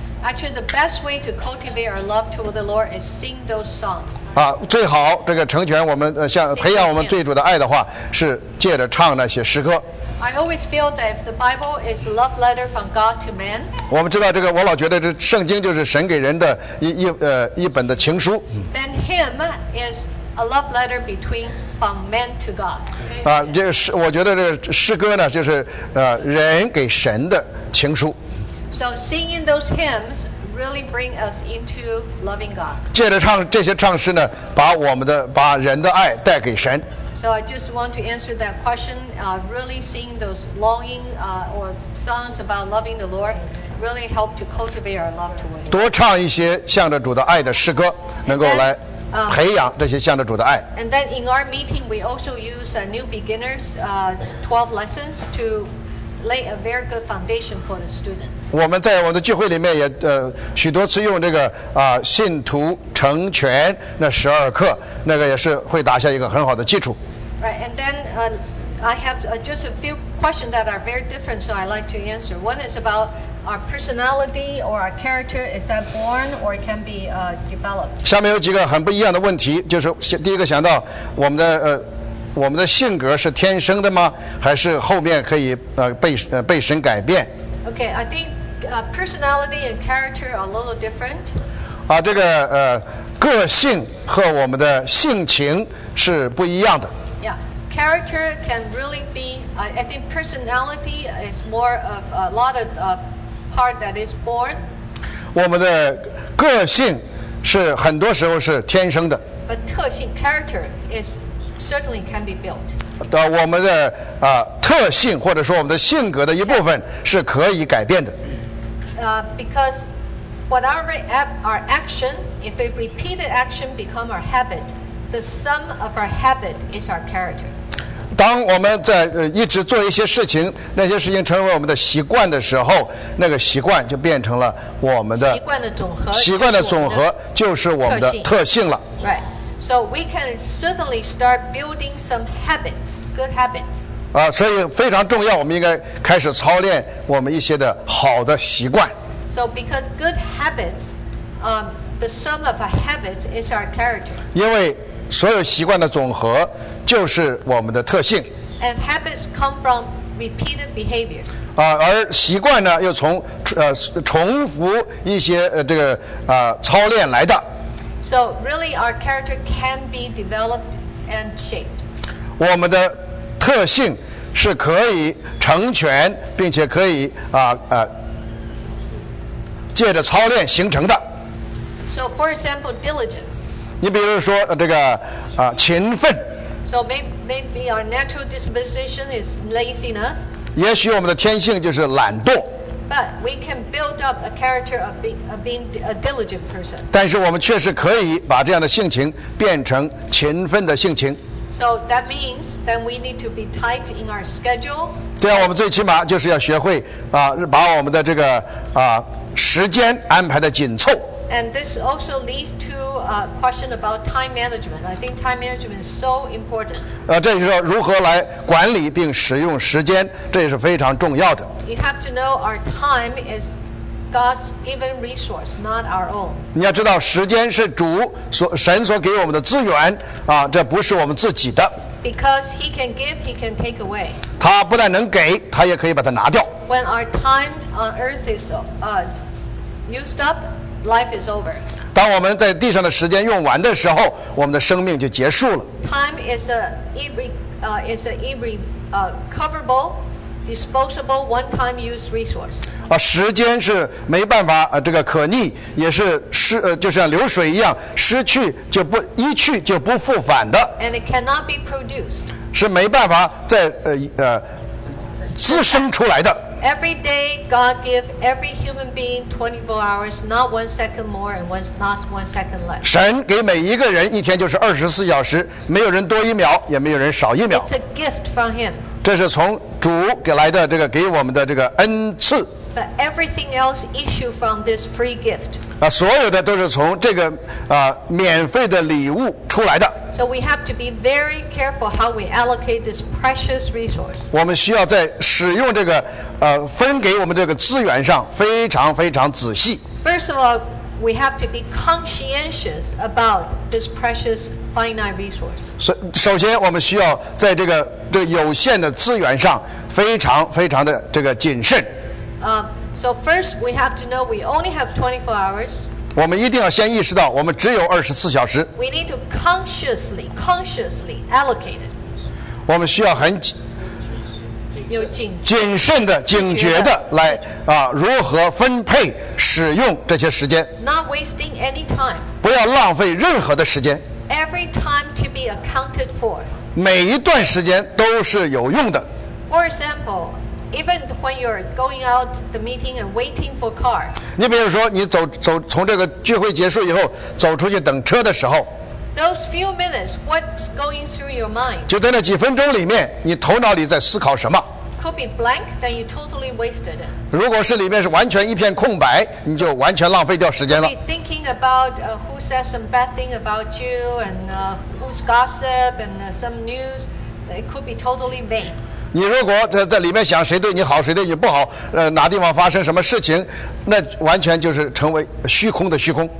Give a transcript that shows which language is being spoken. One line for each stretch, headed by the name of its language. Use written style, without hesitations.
English: Actually, the best way to cultivate our love toward the Lord is sing those songs.
Chinese: 最好这个成全我们像培养我们对主的爱的话，是借着唱那些诗歌。
English: I always feel that if the Bible is love letter from God to man.
Chinese: 我们知道这个，我老觉得这圣经就是神给人的一本的情书。
English: Then hymn is a love letter between from man to God.
Chinese: 我觉得这诗歌呢，就是人给神的。情书。
English: So singing those hymns really bring us into loving God.
Chinese: 借着唱这些唱诗呢，把人的爱带给神。
English: So I just want to answer that question. Really singing those longing or songs about loving the Lord really help to cultivate our love to Him.
Chinese: 多唱一些向着主的爱的诗歌，能够来培养这些向着主的爱。
English: And then in our meeting, we also use new beginners 12 lessons to. Lay a very good foundation for the student.
Chinese: 我们在我们的聚会里面也许多次用这个信徒成全那十二课，那个也是会打下一个很好的基础。
English: Right, and then I have just a few questions that are very different, so I'd like to answer. One is about our personality or our character. Is that born or can be developed?
Chinese: 下面有几个很不一样的问题，就是第一个想到我们的我们的性格是天生的吗？还是后面可以被神改变
English: ？Okay, I think personality and character are a little different.
Chinese: 这个个性和我们的性情是不一样的。
English: Yeah, character can really be. I think personality is more of a lot of part that is born.
Chinese: 我们的个性是很多时候是天生的。
English: But 特性 character is. Certainly can be built.
Chinese: 我们的特性或者说我们的性格的一部分是可以改变的。
English: Because what our action, if a repeated action become our habit, the sum of our habit is our character.
Chinese: 当我们在一直做一些事情，那些事情成为我们的习惯的时候，那个习惯就变成了我们的习惯的总和。习惯的总和就是我们的特性了。
English: Right. So we can certainly start building some habits, good habits.
Chinese: 所以非常重要，我们应该开始操练我们一些的好的习惯。
English: So because good habits, the sum of a habit is our character.
Chinese: 因为所有习惯的总和就是我们的特性。
English: And habits come from repeated behavior.
Chinese: 而习惯呢，又从重复一些这个操练来的。
English: So really, our character can be developed and shaped.
Chinese: 我们的特性是可以成全，并且可以借着操练形成的。
English: So for example, diligence.
Chinese: 你比如说这个啊勤奋。
English: So maybe our natural disposition is laziness.
Chinese: 也许我们的天性就是懒惰。
English: But we can build up a character of being a diligent person.
Chinese: 但是我们确实可以把这样的性情变成勤奋的性情。
English: So that means then we need to be tight in our schedule.
Chinese: 这样我们最起码就是要学会啊，把我们的这个啊时间安排的紧凑。
English: And this also leads to a question about time management. I think time management is so important.
Chinese: 这就是如何来管理并使用时间，这也是非常重要的。
English: You have to know our time is God's given resource, not our own.
Chinese: 你要知道，时间是主所神所给我们的资源啊，这不是我们自己的。
English: Because He can give, He can take away.
Chinese: 他不但能给，他也可以把它拿掉。
English: When our time on earth is used up. Life is over.
Chinese: 当我们在地上的时间用完的时候，我们的生命就结束了。
English: Time is an irrecoverable, disposable, one-time use resource.
Chinese: 啊，时间是没办法这个可逆，也是失就像流水一样，失去就不一去就不复返的。
English: And it cannot be produced.
Chinese: 是没办法再滋生出来的。
English: Every day, God gives every human being 24 hours, not one second more and not one second less.
Chinese: 神给每一个人一天就是24小时，没有人多一秒，也没有人少一秒。
English: It's a gift from Him.
Chinese: 这是从主给来的这个给我们的这个恩赐。
English: But everything else issued from this free gift.
Chinese: 啊，所有的都是从这个免费的礼物出来的。
English: So we have to be very careful how we allocate this precious resource.
Chinese: 我们需要在使用这个分给我们这个资源上非常非常仔细。
English: First of all, we have to be conscientious about this precious finite resource.
Chinese: 首先我们需要在这个有限的资源上非常非常的这个谨慎。
English: So first we have to know we only have 24 hours.
Chinese: 我们一定要先意识到我们只有24小时。
English: We need to consciously allocate it.
Chinese: 我们需要很谨慎的警觉的来如何分配使用这些时间。
English: Not wasting any time.
Chinese: 不要浪费任何的时间。
English: Every time to be accounted for.
Chinese: 每一段时间都是有用的。
English: For example,Even when you're going out the meeting and waiting for car.
Chinese: 你比如说，你走从这个聚会结束以后走出去等车的时候。
English: Those few minutes, what's going through your mind?
Chinese: 就在那几分钟里面，你头脑里在思考什么
English: ？Could be blank, then you totally wasted it.
Chinese: 如果是里面是完全一片空白，你就完全浪费掉时间了。
English: Could be thinking about who says some bad thing about you and who's gossip and some news, it could be totally vain.
Chinese: 你如果在里面想谁对你好谁对你不好哪地方发生什么事情那完全就是成为虚空的虚空。